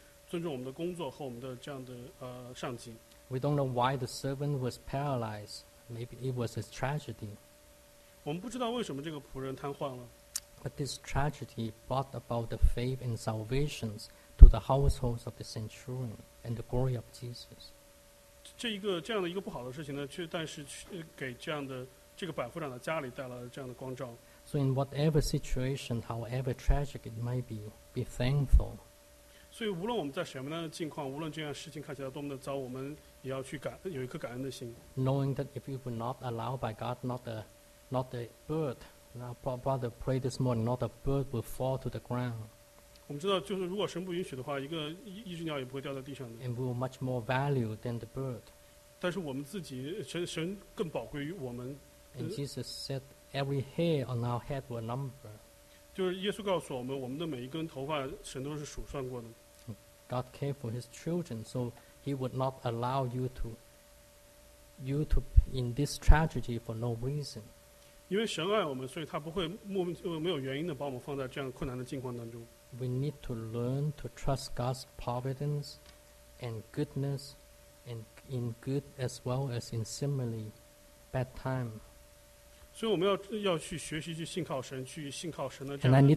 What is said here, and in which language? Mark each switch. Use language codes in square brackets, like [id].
[zh] 从这样的一个仆人的事情来看，我们可以看到，就说是我们自己去尊重我们的工作和我们的这样的上级。 [en] We don't know why the servant was paralyzed. Maybe it was a tragedy. [zh] 我们不知道为什么这个仆人瘫痪了。 [en] But this tragedy brought about the faith and salvation to the households of the centurion and the glory of Jesus. [zh] 这样的一个不好的事情呢，却给这个百夫长的家里带来了这样的光照。 [en] So in whatever situation, however tragic it might be thankful. [zh] 所以无论我们在什么样的境况，无论这样事情看起来多么的糟，我们也要去感有一颗感恩的心。 [en] Knowing that if you were not allowed by God, not a bird, now brother prayed this morning, not a bird will fall to the ground. [zh] 我们知道，就是如果神不允许的话，一个一只鸟也不会掉在地上的。 [en] And we were much more valued than the bird. [zh] 但是我们自己，神更宝贵于我们。 [en] And Jesus said, "Every hair on our head will number." [zh] 就是耶稣告诉我们，我们的每一根头发，神都是数算过的。 [en] God cared for His children, so He would not allow you to in this tragedy for no reason. [zh] 因为神爱我们，所以他不会莫名没有原因的把我们放在这样困难的境况当中。 [en] We need to learn to trust God's providence and goodness, and in good as well as in similarly bad time. [zh] 所以我们要去学习去信靠神，去信靠神的这样的。